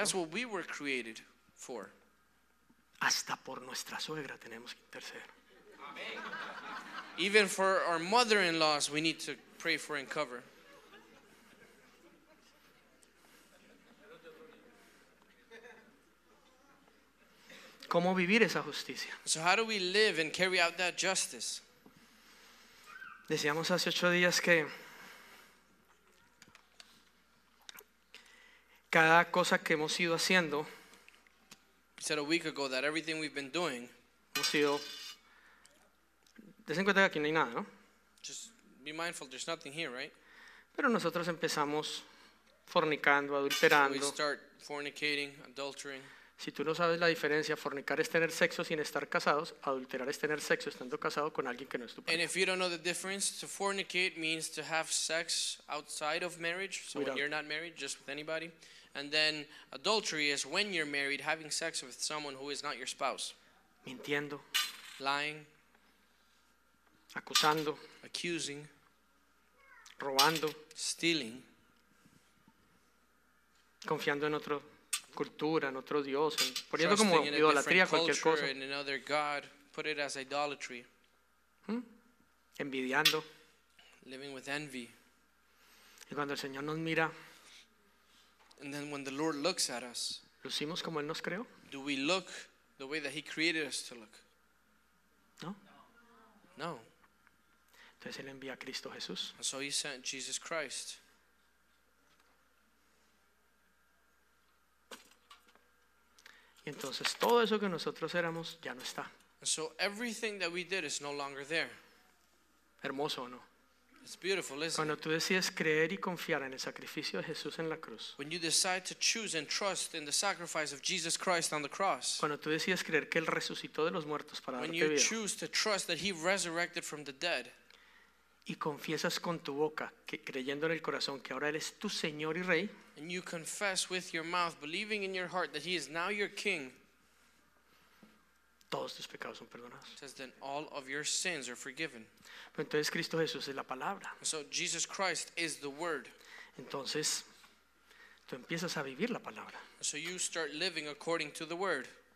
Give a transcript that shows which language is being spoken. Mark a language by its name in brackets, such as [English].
[English] That's what we were created for. [Spanish] Hasta por nuestra suegra tenemos que interceder. [English] Even for our mother-in-laws, we need to pray for and cover. [Spanish] ¿Cómo vivir esa justicia? [English] So how do we live and carry out that justice? [Spanish] Decíamos hace 8 días que cada cosa que hemos ido haciendo, [English] we said a week ago that everything we've been doing, [Spanish] hemos sido. Dense cuenta que aquí no hay nada, ¿no? [English] Just be mindful, there's nothing here, right? [Spanish] Pero nosotros empezamos fornicando, adulterando. [English] So we start fornicating, adultering. [Spanish] Si tú no sabes la diferencia, fornicar es tener sexo sin estar casados, adulterar es tener sexo estando casado con alguien que no es tu pareja. [English] And if you don't know the difference, to fornicate means to have sex outside of marriage, so without. When you're not married, just with anybody. And then adultery is when you're married, having sex with someone who is not your spouse. [Spanish] Mintiendo. [English] Lying. [Spanish] Acusando, [English] accusing, [Spanish] robando, [English] stealing, [Spanish] confiando en otra cultura, en otro Dios, en, poniendo como idolatría cualquier cosa, [English] in another God, put it as idolatry. [Spanish] Envidiando, [English] living with envy. [Spanish] Y cuando el Señor nos mira, [English] and then when the Lord looks at us, [Spanish] ¿lucimos como Él nos creó? [English] Do we look the way that He created us to look? [Spanish] No. [English] No. [Spanish] Entonces él envía a Cristo Jesús. [English] And so he sent Jesus Christ. [Spanish] Y entonces todo eso que nosotros éramos ya no está. [English] And so everything that we did is no longer there. [Spanish] Hermoso, ¿no? [English] It's beautiful, isn't it? [Spanish] Cuando tú decides creer y confiar en el sacrificio de Jesús en la cruz. [English] When you decide to choose and trust in the sacrifice of Jesus Christ on the cross. [Spanish] Cuando tú decides creer que él resucitó de los muertos para darte vida. [English] When you choose to trust that he resurrected from the dead. [Spanish] Y confiesas con tu boca, que, creyendo en el corazón, que ahora eres tu Señor y Rey. [English] And you confess with your mouth, believing in your heart that he is now your King. [Spanish] Todos tus pecados son perdonados. [English] Says then all of your sins are forgiven. [Spanish] Pero entonces Cristo Jesús es la palabra. [English] So Jesus Christ is the word. [Spanish] Entonces, tú empiezas a vivir la palabra. [English] So you start living according to the word.